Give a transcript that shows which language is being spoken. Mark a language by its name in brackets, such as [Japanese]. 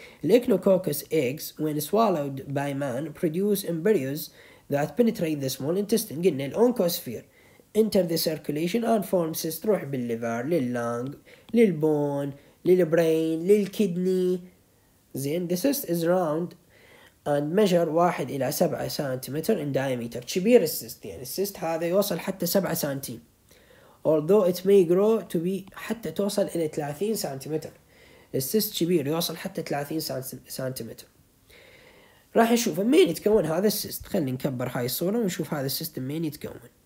[English] الإكنوكوكس eggs when swallowed by man produce embryos that penetrate the small intestine. [Arabic] قلنا [English] الأونكوسفير enter the circulation and form cysts. [Arabic] تروح بالليفر لللانج للبون للبرين للكيدني. [English] زين the cyst is round and measure 1 [Arabic] إلى 7 سنتيمتر [English] in diameter. [Arabic] كبير السيست، يعني السيست هذا يوصل حتى 7 سنتيم، [English] although it may grow to be [Arabic] حتى توصل إلى 30 سنتيمتر. السيست كبير يوصل حتى 30 سنتيمتر. راح نشوف مين يتكون هذا السيست. خلينا نكبر هاي الصورة ونشوف هذا السيست مين يتكون.